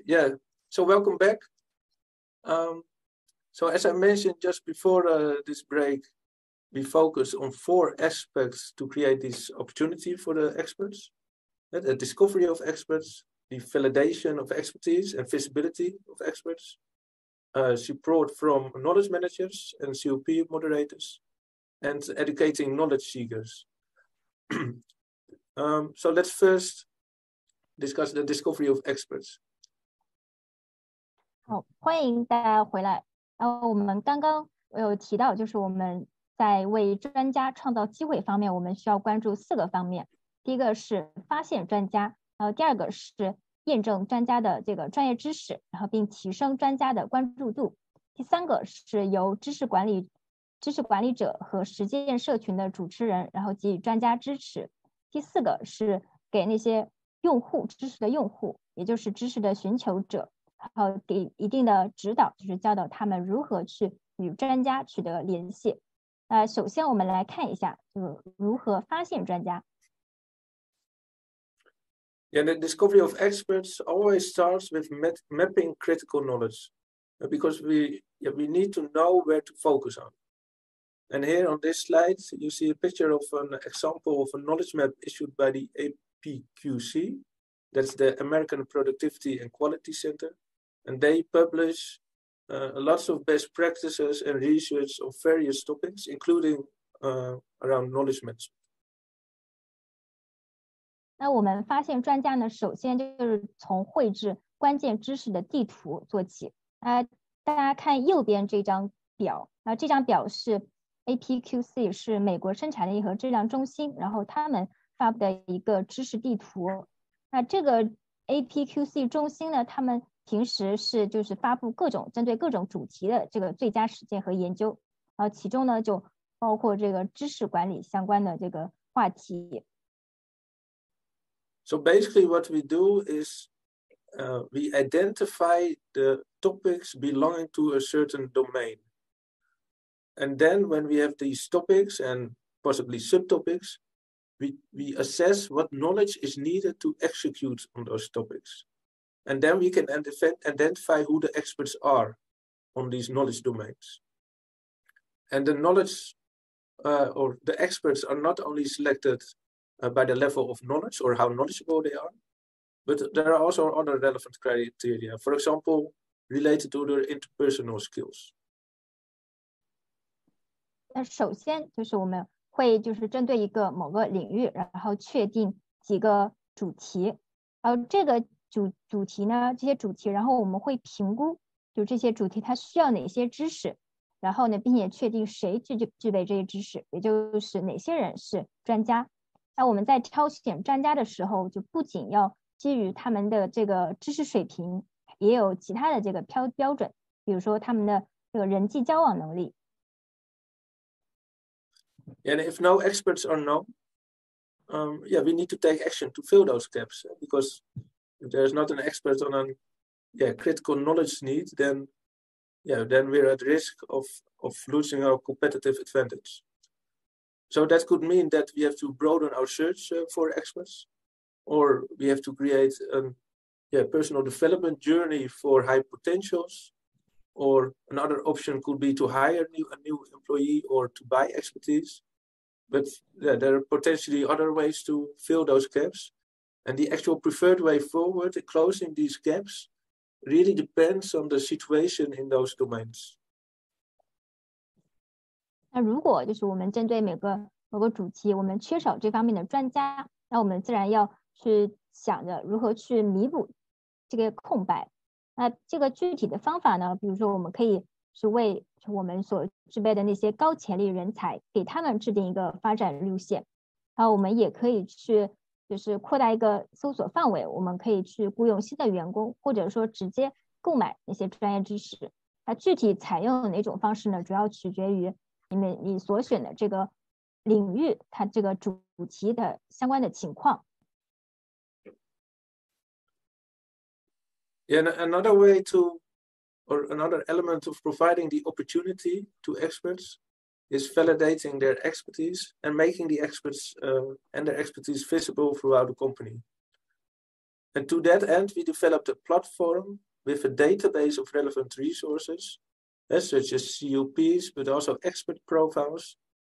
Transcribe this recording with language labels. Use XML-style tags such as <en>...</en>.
<en>Yeah, so welcome back. So as I mentioned just before this break, we focus on four aspects to create this opportunity for the experts, the discovery of experts, the validation of expertise and visibility of experts, support from knowledge managers and COP moderators, and educating knowledge seekers. So let's first discuss the discovery of experts.</en> <zh>好，欢迎大家回来。我们刚刚有提到，就是我们在为专家创造机会方面，我们需要关注四个方面。第一个是发现专家，然后第二个是验证专家的这个专业知识，然后并提升专家的关注度。第三个是由知识管理者和实践社群的主持人，然后给予专家支持。第四个是给那些用户知识的用户，也就是知识的寻求者，然后给一定的指导，就是教导他们如何去与专家取得联系。首先我们来看一下，就是如何发现专家。</zh> <en>And the discovery of experts always starts with mapping critical knowledge, because we need to know where to focus on. And here on this slide, you see a picture of an example of a knowledge map issued by the APQC, that's the American Productivity and Quality Center, and they publish lots of best practices and research of various topics, including around knowledge management.</en> <zh>那我们发现专家呢，首先就是从绘制关键知识的地图做起。大家看右边这张表，这张表是 APQC， 是美国生产力和质量中心，然后他们发布的一个知识地图。那这个 APQC 中心呢，他们平时是就是发布各种针对各种主题的这个最佳实践和研究，然后其中呢就包括这个知识管理相关的这个话题。</zh> <en>So basically what we do is we identify the topics belonging to a certain domain. And then when we have these topics and possibly subtopics, we assess what knowledge is needed to execute on those topics. And then we can identify who the experts are on these knowledge domains. And the knowledge or the experts are not only selected by the level of knowledge or how knowledgeable they are, but there are also other relevant criteria, for example, related to their interpersonal skills.</en> <zh>那首先就是我们会就是针对一个某个领域，然后确定几个主题，然后这个主题呢，这些主题，然后我们会评估，就这些主题它需要哪些知识。然后呢，并且确定谁具备这些知识，也就是哪些人是专家。那我们在挑选专家的时候，就不仅要基于他们的这个知识水平，也有其他的这个标准，比如说他们的这个人际交往能力。</zh> <en>And if no experts are known, we need to take action to fill those gaps, because if there is not an expert on critical knowledge need, then we're at risk of losing our competitive advantage. So that could mean that we have to broaden our search for experts, or we have to create a personal development journey for high potentials, or another option could be to hire a new employee or to buy expertise. But there are potentially other ways to fill those gaps. And the actual preferred way forward in closing these gaps really depends on the situation in those domains.</en> <zh>那如果就是我们针对某个主题，我们缺少这方面的专家，那我们自然要去想着如何去弥补这个空白。那这个具体的方法呢，比如说我们可以是为我们所具备的那些高潜力人才，给他们制定一个发展路线。然后我们也可以去就是扩大一个搜索范围，我们可以去雇佣新的员工，或者说直接购买那些专业知识。那具体采用哪种方式呢，主要取决于你所选的这个领域它这个主题的相关的情况。</zh> <en>And another way to or another element of providing the opportunity to experts is validating their expertise and making the experts and their expertise visible throughout the company. And to that end, we developed a platform with a database of relevant resources, such as CUPs, but also expert profiles.</en>